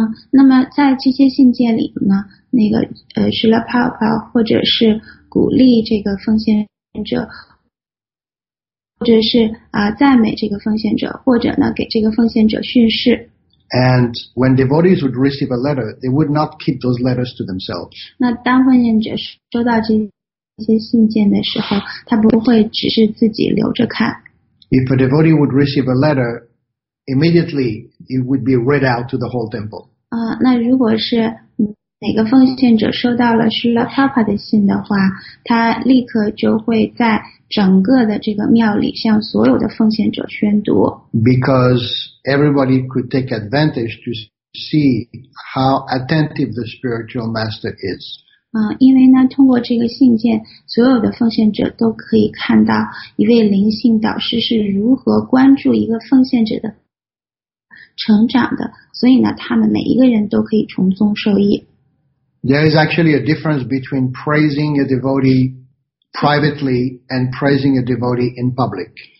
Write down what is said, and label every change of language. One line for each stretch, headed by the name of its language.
Chinese: 那么在这些信件里呢，那个Srila Prabhupada 或者是鼓励这个奉献者，或者是赞美这个奉献者，或者呢给这个奉献者训示。
English: And when devotees would receive a letter, they would not keep those letters to themselves.
Chinese: 那当奉献者收到这些信件的时候，他不会只是自己留着看。
English: If a devotee would receive a letter, immediately it would be read out to the whole temple.
Chinese: 那如果是哪个奉献者收到了 Srila Prabhupada 的信的话，他立刻就会在整个的这个庙里向所有的奉献者宣读。
English: Because everybody could take advantage to see how attentive the spiritual master is.
Chinese: 因为呢，通过这个信件，所有的奉献者都可以看到一位灵性导师是如何关注一个奉献者的成长的，所以呢，他们每一个人都可以从中受益。
English: There is actually a difference between praising a devotee privately and praising a devotee in public.